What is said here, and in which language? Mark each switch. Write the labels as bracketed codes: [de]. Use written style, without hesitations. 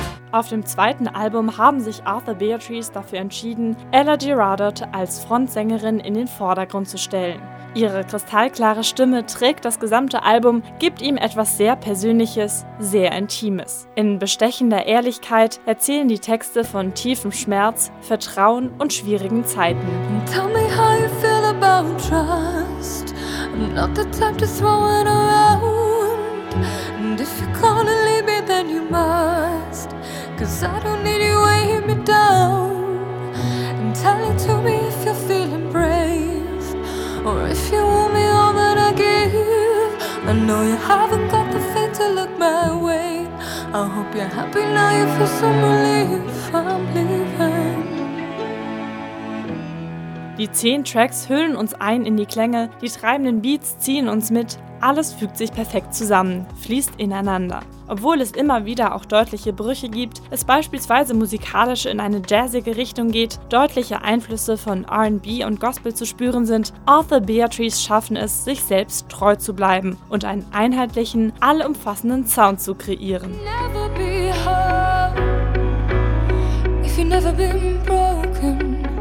[de] Auf dem zweiten Album haben sich Arthur Beatrice dafür entschieden, Ella Gerardot als Frontsängerin in den Vordergrund zu stellen. Ihre kristallklare Stimme trägt das gesamte Album, gibt ihm etwas sehr Persönliches, sehr Intimes. In bestechender Ehrlichkeit erzählen die Texte von tiefem Schmerz, Vertrauen und schwierigen Zeiten. [en] Tell me how you feel about trust. I'm not the type to throw it around. And if you're gonna leave me, then you must. Cause I don't need you weighing me down. And tell it to me if you're feeling brave. Or if you want me all that I give. I know you haven't got the faith to look my way. I hope you're happy now, you feel some relief. I'm leaving. [de] Die 10 Tracks hüllen uns ein in die Klänge, die treibenden Beats ziehen uns mit. Alles fügt sich perfekt zusammen, fließt ineinander. Obwohl es immer wieder auch deutliche Brüche gibt, es beispielsweise musikalisch in eine jazzige Richtung geht, deutliche Einflüsse von R&B und Gospel zu spüren sind, Arthur Beatrice schaffen es, sich selbst treu zu bleiben und einen einheitlichen, allumfassenden Sound zu kreieren. [en] Never be hurt, if you've never been broken.